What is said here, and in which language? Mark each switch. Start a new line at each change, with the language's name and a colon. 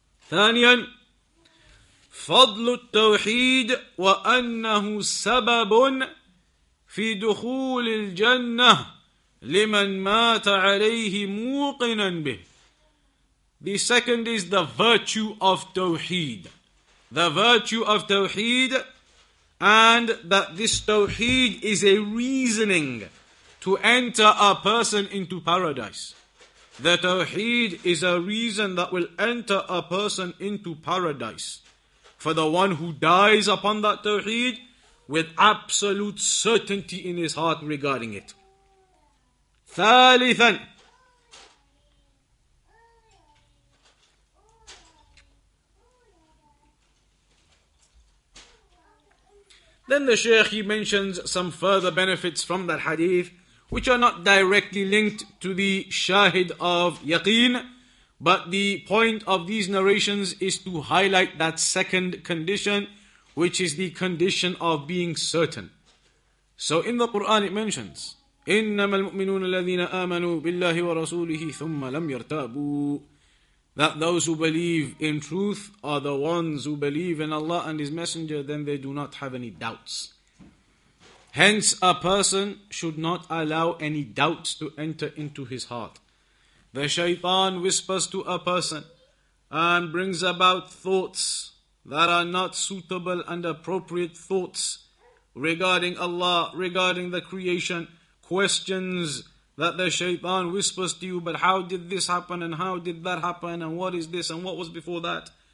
Arabic: Thaniyan, فضل التوحيد وأنه سبب في دخول الجنة لمن مات عليه موقنا به.
English: The second is the virtue of Tawheed. The virtue of Tawheed, and that this Tawheed is a reasoning to enter a person into paradise. The Tawheed is a reason that will enter a person into paradise. For the one who dies upon that Tawheed with absolute certainty in his heart regarding it. Thalithan. Then the Shaykh, he mentions some further benefits from that hadith, which are not directly linked to the Shahid of Yaqeen. But the point of these narrations is to highlight that second condition, which is the condition of being certain. So in the Quran it mentions,
Arabic: إِنَّمَا الْمُؤْمِنُونَ الَّذِينَ آمَنُوا بِاللَّهِ وَرَسُولِهِ ثُمَّ لَمْ يَرْتَابُوا.
English: That those who believe in truth are the ones who believe in Allah and His Messenger, then they do not have any doubts. Hence a person should not allow any doubts to enter into his heart. The shaitan whispers to a person and brings about thoughts that are not suitable and appropriate thoughts regarding Allah, regarding the creation, questions that the shaitan whispers to you, but how did this happen and how did that happen and what is this and what was before that?